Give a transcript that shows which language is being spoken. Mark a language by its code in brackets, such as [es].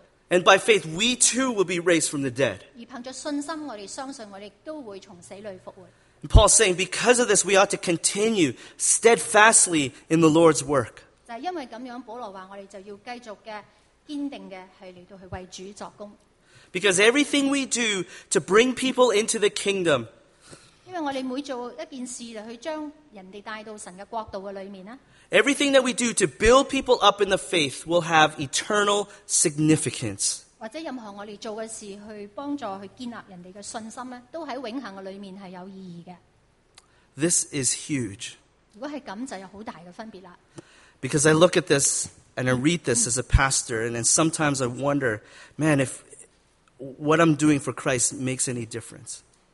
[en] And by faith, we too will be raised from the dead. And Paul's saying, because of this, we ought to continue steadfastly in the Lord's work. [zh] 因为这样保罗说我们就要继续的坚定的是来到去为主作工。 [en] Because everything we do to bring people into the kingdom, [zh] 因为我们每做一件事就去将人家带到神的国度的里面。 [en] Everything that we do to build people up in the faith will have eternal significance. [zh] 或者任何我们做的事去帮助去建立人家的信心都在永恒的里面是有意义的。 [en] This is huge. [zh] 如果是这样就有很大的分别了。 [en] Because I look at this and I read this as a pastor, and then sometimes I wonder, man, if what I'm doing for Christ makes any difference.